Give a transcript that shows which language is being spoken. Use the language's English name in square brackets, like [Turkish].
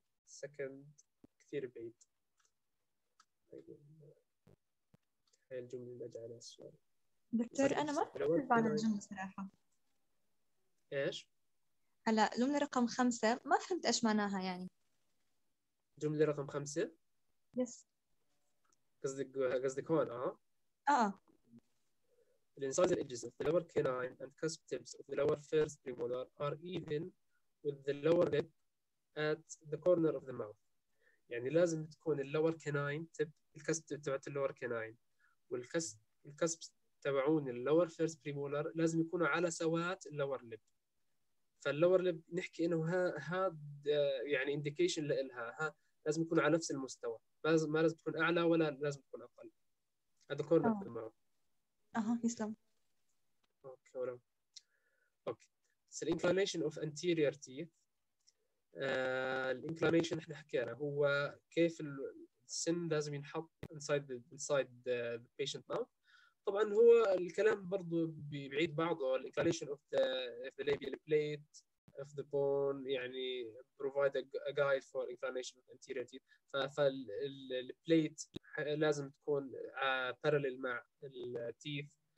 [Arabic] السكند كثير بعيد. هاي الجملة اللي أجعلها السؤال. دكتور أنا ما فهمت معنى الجملة صراحة. إيش؟ هلا الجملة رقم 5 ما فهمت إيش معناها يعني. جملة رقم 5؟ [English] Yes. [Arabic] قصدك هون [English] The incisor edges of the lower canine and cusp tips of the lower first premolar are even with the lower lip at the corner of the mouth. [Arabic] يعني لازم تكون اللور كناين تب الكسب تبعت اللور كناين والكسب تبعون اللور فيرست بريمولر لازم يكونوا على سوات اللور ليب. فاللور ليب نحكي انه هاد يعني انديكيشن لها لازم يكونوا على نفس المستوى ما لازم تكون اعلى ولا لازم تكون اقل. هذا كورنر في المعرفة. اها يسلم. اوكي ولا اوكي. [English] So the inclination of anterior teeth. [Arabic] الانكلينيشن احنا حكينا هو كيف السن لازم ينحط [English] inside the patient mouth. [Arabic] طبعا هو الكلام برضو بعيد بعضه الانكلينيشن [English] of the labial plate of the bone يعني provide a guide for inclination of anterior teeth. [Arabic] فالplate لازم تكون parallel مع الteeth.